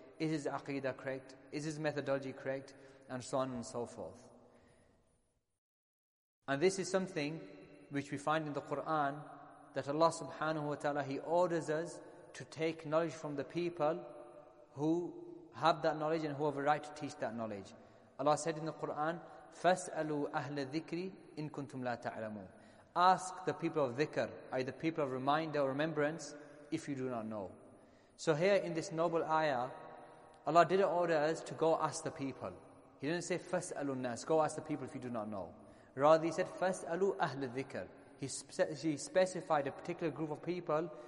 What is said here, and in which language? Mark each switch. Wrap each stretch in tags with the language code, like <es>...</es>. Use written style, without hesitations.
<en>Is his aqidah correct? Is his methodology correct? And so on and so forth. And this is something which we find in the Quran, that Allah subhanahu wa ta'ala, He orders us to take knowledge from the people who have that knowledge and who have a right to teach that knowledge. Allah said in the Quran,</en> <ar>فَاسْأَلُوا أَهْلَ الذِّكْرِ إِن كُنْتُمْ لَا تَعْلَمُونَ.</ar> <en>Ask the people of dhikr, i.e. the people of reminder or remembrance, if you do not know. So here in this noble ayah, Allah didn't order us to go ask the people. He didn't say</en> <ar>فَاسْأَلُوا النَّاسِ,</ar> <en>go ask the people if you do not know. Rather He said</en> <ar>فَاسْأَلُوا أَهْلَ الذِّكْرِ.</ar> <en>He specified a particular group of people</en>